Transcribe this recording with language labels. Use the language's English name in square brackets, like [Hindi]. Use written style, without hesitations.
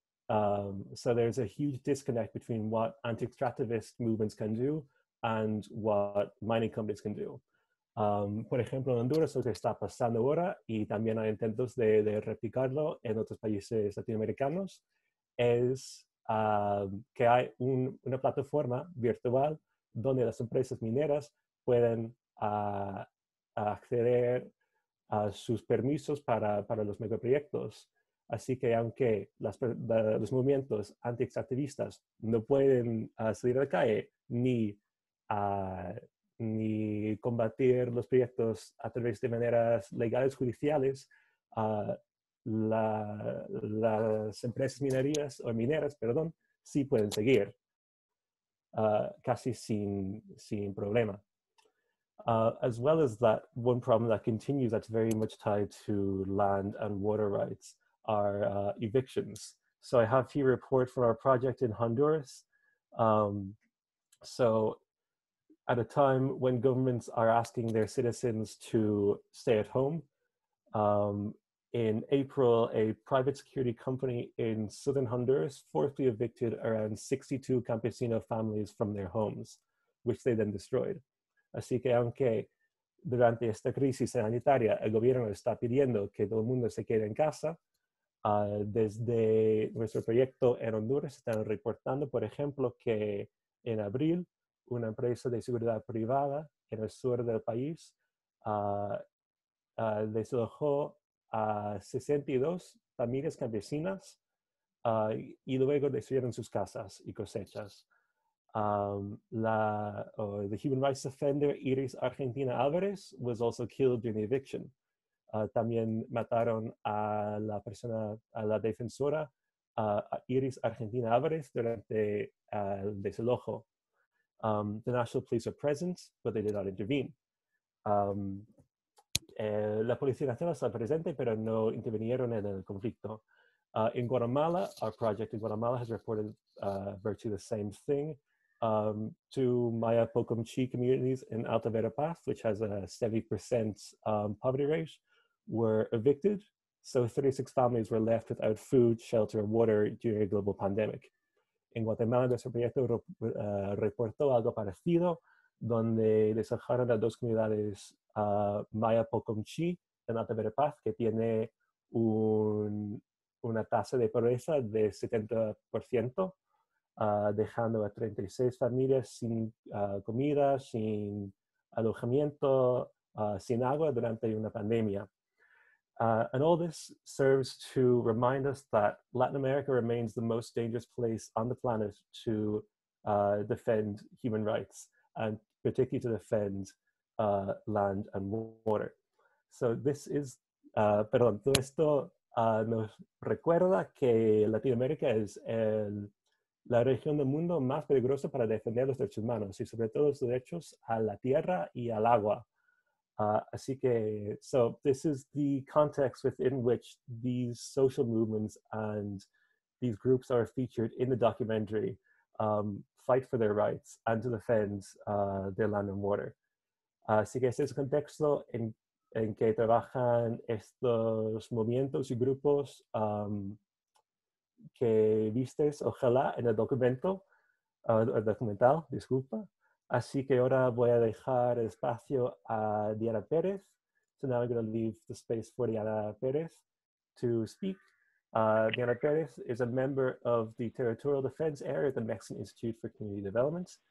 [English] So there's a huge disconnect between what anti-extractivist movements can do and what mining companies can do. [Spanish] Por ejemplo, en Honduras lo que está pasando ahora y también hay intentos de replicarlo en otros países latinoamericanos es que hay una plataforma virtual donde las empresas mineras pueden acceder a sus permisos para los megaproyectos. Así que aunque los movimientos anti-extractivistas no pueden salir a la calle ni combatir los proyectos a través de maneras legales judiciales, las empresas mineras, sí pueden seguir casi sin problema. [English] As well as that, one problem that continues that's very much tied to land and water rights are evictions. So I have here a report for our project in Honduras. So at a time when governments are asking their citizens to stay at home, in April, a private security company in southern Honduras forcibly evicted around 62 campesino families from their homes, which they then destroyed. [Spanish] Así que aunque durante esta crisis sanitaria el gobierno está pidiendo que todo el mundo se quede en casa, desde nuestro proyecto en Honduras están reportando, por ejemplo, que en abril una empresa de seguridad privada en el sur del país desalojó a 62 familias campesinas y luego destruyeron sus casas y cosechas. [English] The human rights defender Iris Argentina Álvarez was also killed during the eviction. [Spanish] También mataron a la persona, a la defensora Iris Argentina Álvarez durante el desalojo. [English] The national police are present, but they did not intervene. [Spanish] La Policía Nacional está presente, pero no intervinieron en el conflicto. [English] In Guatemala, our project in Guatemala has reported virtually the same thing. To Maya Pocomchi communities in Alta Verapaz, which has a 70% poverty rate, were evicted. So 36 families were left without food, shelter, and water during a global pandemic. In Guatemala, [Spanish] nuestro proyecto reportó algo parecido, donde desalojaron a dos comunidades Maya Pocomchi en Alta Verapaz, que tiene una tasa de pobreza de 70%, dejando a 36 familias sin comida, sin alojamiento, sin agua durante una pandemia. [English] And all this serves to remind us that Latin America remains the most dangerous place on the planet to defend human rights, and particularly to defend land and water. So this is [Spanish] perdón, todo esto nos recuerda que Latinoamérica es la región del mundo más peligrosa para defender los derechos humanos y sobre todo los derechos a la tierra y al agua. Así que, [English] so this is the context within which these social movements and these groups are featured in the documentary, Fight for Their Rights and to Defend Their Land and Water. [Spanish] Así que ese es el contexto en que trabajan estos movimientos y grupos que vistes, ojalá, en el documento, el documental, disculpa. Así que ahora voy a dejar el espacio a Diana Pérez. [English] So now I'm going to leave the space for Diana Pérez to speak. Diana Pérez is a member of the Territorial Defense Area at the Mexican Institute for Community Development.